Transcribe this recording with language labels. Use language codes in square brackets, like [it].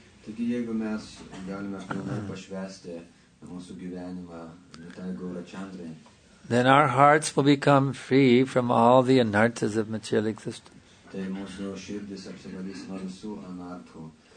[lt] taigi jeigu mes galime pilnai pašvesti mūsų gyvenimą Nitai Gaura Chandrai, [en] then our hearts will become free from all the anarthas of material existence. [lt] Tai mūsų širdis apsivalys nuo visų anarthų.